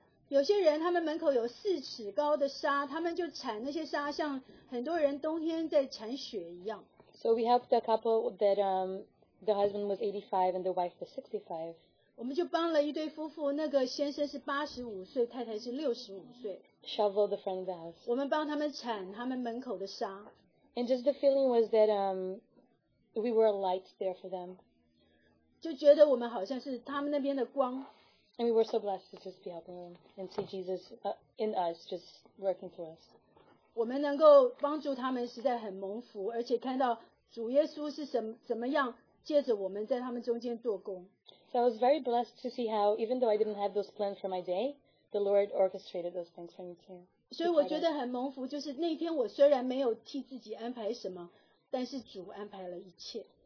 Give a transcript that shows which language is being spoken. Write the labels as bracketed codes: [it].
[zh] 有些人他们门口有四尺高的沙，他们就铲那些沙，像很多人冬天在铲雪一样。 [en] So we helped a couple that the husband was 85 and the wife was 65. [zh] 我们就帮了一对夫妇，那个先生是85岁，太太是65岁。 [en] Shovel the front of the house. [zh] 我们帮他们铲他们门口的沙。 [en] And just the feeling was that we were a light there for them. [zh] 就觉得我们好像是他们那边的光。 [en] And we were so blessed to just be helping them and see Jesus in us just working through us. [zh] 我们能够帮助他们实在很蒙福，而且看到主耶稣是怎么样借着我们在他们中间做工。 [en] So I was very blessed to see how, even though I didn't have those plans for my day, the Lord orchestrated those things for me too. [zh] 所以我觉得很蒙福，就是那天我虽然没有替自己安排什么，但是主安排了一切。